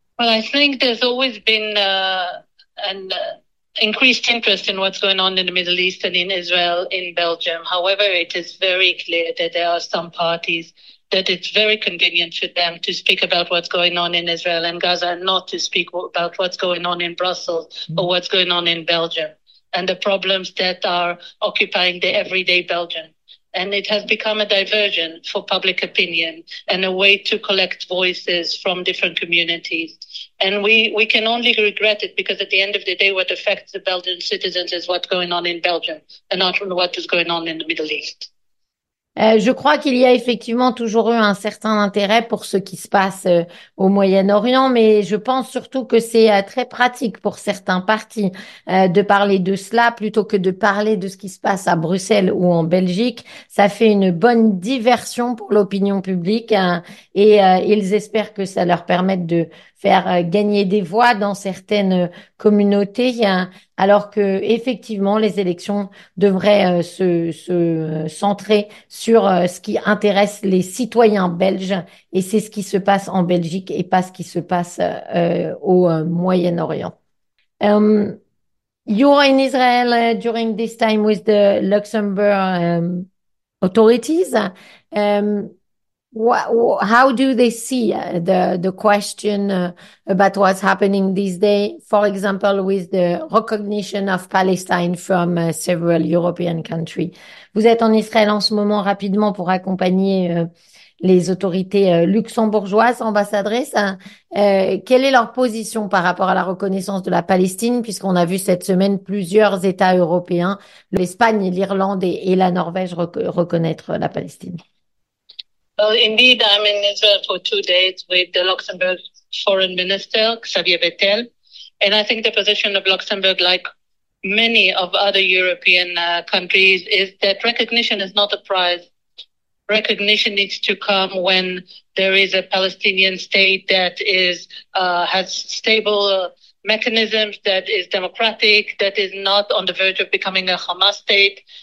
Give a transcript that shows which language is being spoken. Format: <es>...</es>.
<en>Well, I think there's always been an increased interest in what's going on in the Middle East and in Israel, in Belgium. However, it is very clear that there are some parties that it's very convenient for them to speak about what's going on in Israel and Gaza and not to speak about what's going on in Brussels or what's going on in Belgium and the problems that are occupying the everyday Belgian. And it has become a diversion for public opinion and a way to collect voices from different communities. And we can only regret it, because at the end of the day, what affects the Belgian citizens is what's going on in Belgium and not what is going on in the Middle East.</en> <fr>Je crois qu'il y a effectivement toujours eu un certain intérêt pour ce qui se passe au Moyen-Orient, mais je pense surtout que c'est très pratique pour certains partis de parler de cela plutôt que de parler de ce qui se passe à Bruxelles ou en Belgique. Ça fait une bonne diversion pour l'opinion publique et ils espèrent que ça leur permette de faire gagner des voix dans certaines communautés, alors que effectivement les élections devraient se centrer sur ce qui intéresse les citoyens belges, et c'est ce qui se passe en Belgique et pas ce qui se passe au Moyen-Orient.</fr> <en>You are in Israel during this time with the Luxembourg authorities. How do they see the question about what's happening these days, for example, with the recognition of Palestine from several European countries?</en> <fr>Vous êtes en Israël en ce moment rapidement pour accompagner les autorités luxembourgeoises, ambassadrice. Quelle est leur position par rapport à la reconnaissance de la Palestine, puisqu'on a vu cette semaine plusieurs États européens, l'Espagne, l'Irlande et la Norvège, reconnaître la Palestine?</fr> <en>Well, indeed, I'm in Israel for 2 days with the Luxembourg foreign minister, Xavier Bettel. And I think the position of Luxembourg, like many of other European countries, is that recognition is not a prize. Recognition needs to come when there is a Palestinian state that is has stable mechanisms, that is democratic, that is not on the verge of becoming a Hamas state.</en>